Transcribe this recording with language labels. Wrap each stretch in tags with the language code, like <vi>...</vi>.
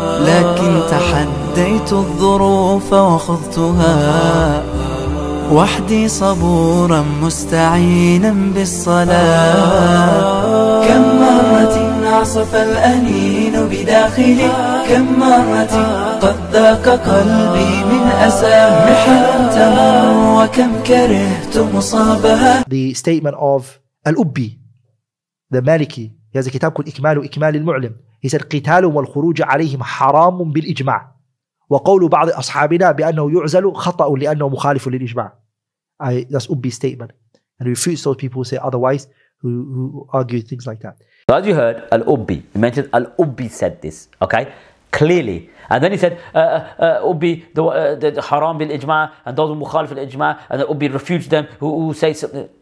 <ar>ولكن تحديت الظروف وخضتها وحدي صبورا مستعينا بالصلاة. كم مرة عصف الأنين بداخلي، كم مرة قد ذاق قلبي من أسى محنته، وكم كرهت مصابها.</ar> <en>The statement of الأبي the Maliki, he has a kitab called إكمال وإكمال المعلم. He said</en> <ar>قتال والخروج عليهم حرام بالإجماع، وقول بعض أصحابنا بأنه يعزل خطأ لأنه مخالف للإجماع.</ar> <en>That's Ubi's statement. And he refutes those people who say otherwise, who argue things like that. So as you heard, Al-Ubi, he mentioned Al-Ubi said this, okay? Clearly. And then he said, Ubi, the haram bil-ijma' and those who mukhalif al-ijma' and Ubi refutes them who say something.</en>